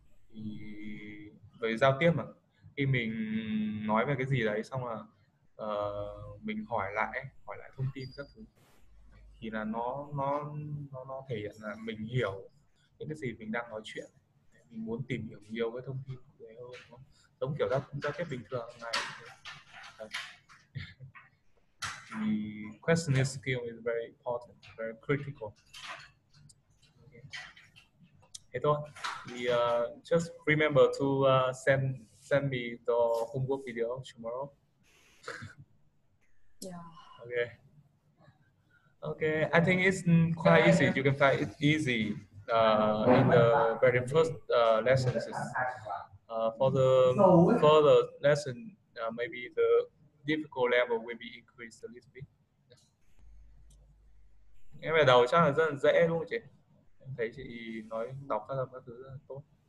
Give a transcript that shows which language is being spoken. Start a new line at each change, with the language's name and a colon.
Vietnamese: Thì về giao tiếp mà, khi mình nói về cái gì đấy xong là mình hỏi lại thông tin các thứ, thì là nó thể hiện là mình hiểu những cái gì mình đang nói chuyện, mình muốn tìm hiểu nhiều cái thông tin của đấy hơn, giống kiểu giao tiếp bình thường này.
English: The questioning skill is very important, very critical. Okay.
Vietnamese: Thế thôi,
English: just remember to send me the homework video tomorrow. Yeah. Okay. Okay, I think it's quite easy. You can find it easy in the very first lessons. For the lesson, maybe the difficult level will be increased a little bit.
Vietnamese: Em bài đầu chắc là rất là dễ luôn chị. Em thấy chị nói đọc các âm các thứ rất là tốt.